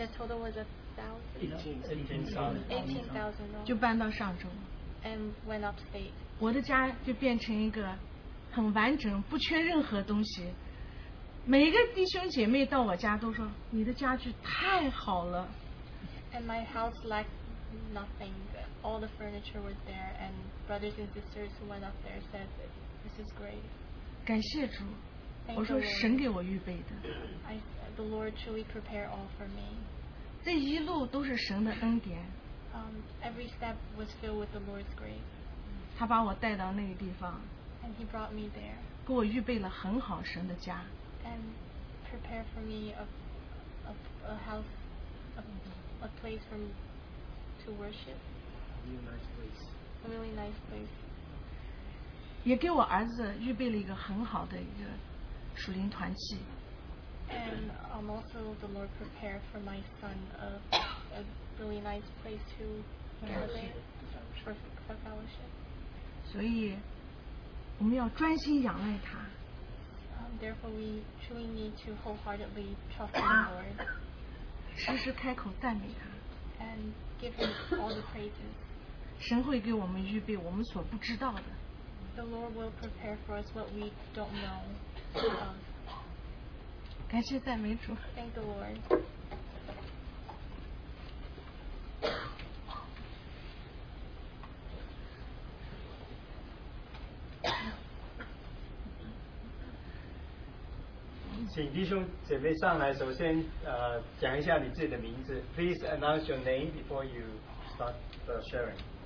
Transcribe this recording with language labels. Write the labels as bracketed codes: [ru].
[en] the total was 18,000. [zh] 就搬到上州。 [en] And went upstate. [zh] 我的家就变成一个很完整，不缺任何东西。每个弟兄姐妹到我家都说，你的家具太好了。 [en] And my house lacked nothing. All the furniture was there. And brothers and sisters who went up there said. This is great. [zh] 感谢主 [en] Thank [zh] 我说神给我预备的 [en] The Lord truly prepared all for me [zh] 这一路都是神的恩典 [en] Every step was filled with the Lord's grace [zh] 他把我带到那个地方 [en] And he brought me there [zh] 给我预备了很好神的家 [en] And prepared for me a house a place for me to worship A really nice place A really nice place [zh] 也给我儿子预备了一个很好的一个属灵团契。 [en] And also the Lord prepared for my son a really nice place to for fellowship. [zh] 所以我们要专心仰赖他。 [en] Therefore, we truly need to wholeheartedly trust the Lord. [zh] 时时开口赞美他。 [en] And give him all the praises. [zh] 神会给我们预备我们所不知道的。 [en] The Lord will prepare for us what we don't know. [zh] 感谢赞美主。 [en] Thank the Lord. [zh] 请弟兄姐妹上来，首先讲一下你自己的名字。 [en] Please announce your name before you start the sharing.